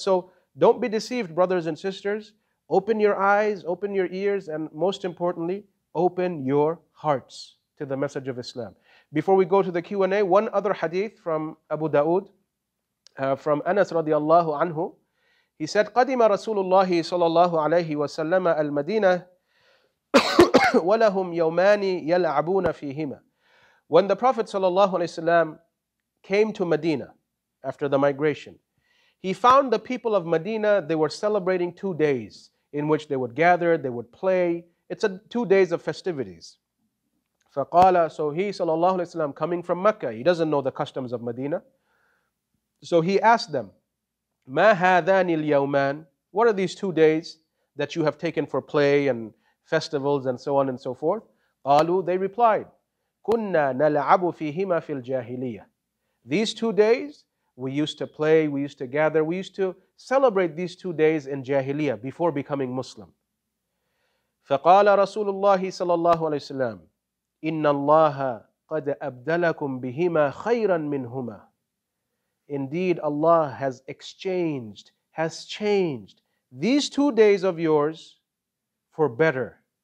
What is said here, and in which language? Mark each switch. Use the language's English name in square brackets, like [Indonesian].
[English] So don't be deceived, brothers and sisters. Open your eyes, open your ears, and most importantly, open your hearts to the message of Islam. Before we go to the Q&A, one other hadith from Abu Dawood, from Anas radiallahu anhu. He said, [Arabic] قَدِمَ رَسُولُ اللَّهِ صَلَى اللَّهُ عَلَيْهِ وَسَلَّمَ الْمَدِينَةِ وَلَهُمْ يَوْمَانِ يَلْعَبُونَ فِيهِمَا. [English] When the Prophet ﷺ came to Medina after the migration, he found the people of Medina, they were celebrating 2 days in which they would gather, they would play. It's 2 days of festivities. [Arabic] فَقَالَ [English] So he ﷺ, coming from Mecca, he doesn't know the customs of Medina. So he asked them, [Arabic] مَا هَذَانِ الْيَوْمَانِ [English] What are these 2 days that you have taken for play and festivals and so on and so forth? [Arabic] قَالُوا [English] They replied, [Arabic] كُنَّا نَلَعَبُ فِيهِمَا فِي الْجَاهِلِيَةِ [English] These 2 days We used to play, we used to gather, we used to celebrate these 2 days in Jahiliyyah before becoming Muslim. [Arabic] فَقَالَ رَسُولُ اللَّهِ صَلَى اللَّهُ عَلَيْهِ وَسَلَّمُ إِنَّ اللَّهَ قَدْ أَبْدَلَكُمْ بِهِمَا خَيْرًا مِّنْهُمَا. [English] Indeed, Allah has exchanged, has changed these 2 days of yours for better.